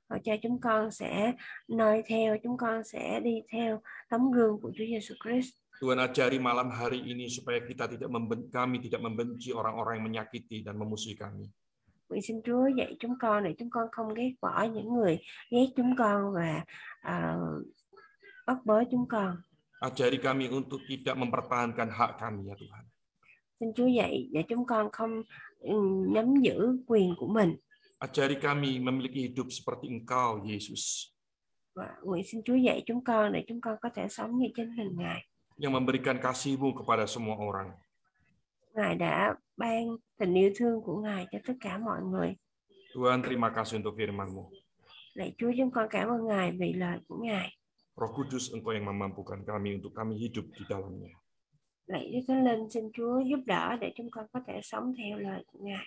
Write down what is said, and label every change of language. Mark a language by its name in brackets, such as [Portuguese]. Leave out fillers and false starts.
[Vietnamese] Cho chúng con sẽ noi theo, chúng con sẽ đi theo tấm gương của Chúa Jesus Christ. [Indonesian] Tuhan ajari malam hari ini supaya kami tidak membenci orang-orang yang menyakiti dan memusuhi kami. [Vietnamese] Nguyện xin Chúa dạy chúng con để chúng con không ghét bỏ những người ghét chúng con và bắt bớ chúng con. [Indonesian] Ajari kami untuk tidak mempertahankan hak kami ya Tuhan. [Vietnamese] Xin Chúa dạy để chúng con không nắm giữ quyền của mình. [Indonesian] Ajari kami memiliki hidup seperti Engkau, Yesus. [Vietnamese] Nguyện xin Chúa dạy chúng con để chúng con có thể sống như chính mình Ngài. [Indonesian] Yang memberikan kasih-Mu kepada semua orang. [Vietnamese] Ngài đã ban tình yêu thương của Ngài cho tất cả mọi người. [Indonesian] Tuhan, terima kasih untuk firman-Mu. [Vietnamese] Lạy Chúa, chúng con cảm ơn Ngài vì lời của Ngài. [Indonesian] Roh Kudus, Engkau yang memampukan kami untuk kami hidup di dalamnya. [Vietnamese] Lạy Đức Thánh Linh, xin Chúa giúp đỡ để chúng con có thể sống theo lời của Ngài.